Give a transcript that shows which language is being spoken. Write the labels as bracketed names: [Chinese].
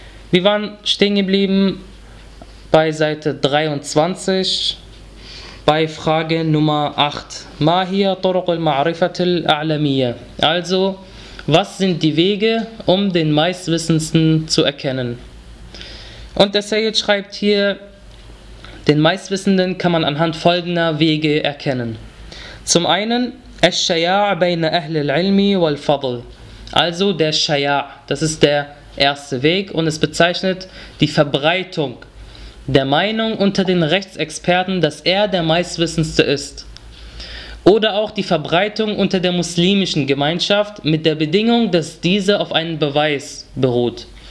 [German] Wir waren stehen geblieben bei Seite 23, bei Frage Nummer 8. [Arabic] Ma hiya turuq al-ma'rifati al-a'lamiyya? [German] Also, was sind die Wege, um den Meistwissendsten zu erkennen? Und der Sayyid schreibt hier, den Meistwissenden kann man anhand folgender Wege erkennen. Zum einen, [Arabic] الشَّيَاعَ بَيْنَ أَهْلِ الْعِلْمِ وَالْفَضْلِ. [German] Also der Schaja', das ist der erste Weg und es bezeichnet die Verbreitung der Meinung unter den Rechtsexperten, dass er der Meistwissendste ist. Oder auch die Verbreitung unter der muslimischen Gemeinschaft mit der Bedingung, dass diese auf einen Beweis beruht.